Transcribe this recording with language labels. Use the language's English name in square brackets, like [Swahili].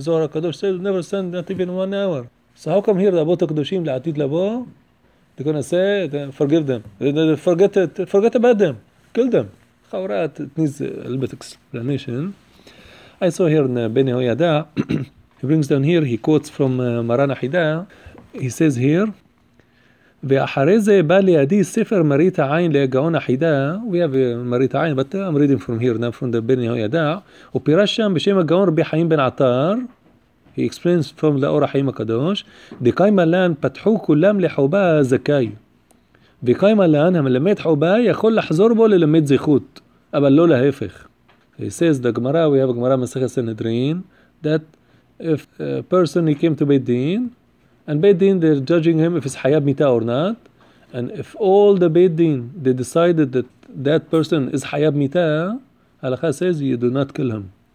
[English] Zohar HaKadosh said, never stand, not even 1 hour. So how come here the Avot HaKadoshim, La'atid Labo, they're going to say, forgive them. Forget about them. Kill them. Chaurat, it needs a little bit of explanation. I saw here in Ben Yehoyada, he brings down here, he quotes from Maran Ahida. [Hebrew] He says here, ואחרי זה בא לידי ספר מרית העין לגאון אחידה, [English] we have [Hebrew] מרית העין, [English] but I'm reading from here, not from the [Hebrew] בן יהוידע, הוא פירש שם בשם הגאון רבי חיים בן עטר, [English] he explains from the [Hebrew] אור החיים הקדוש, דקיימה לן פתחו כולם לחובה זכאי, וקיימה לן המלמד חובה יכול לחזור בו ללמד זכות, אבל לא להפך. [English] He says the Gemara, we have a Gemara מסכת סנהדרין, that if a person he came to בית דין, and Beit Din, they're judging him if it's Hayab Mita or not. And if all the Beit Din, they decided that that person is Hayab Mita, Halakha says, you do not kill him.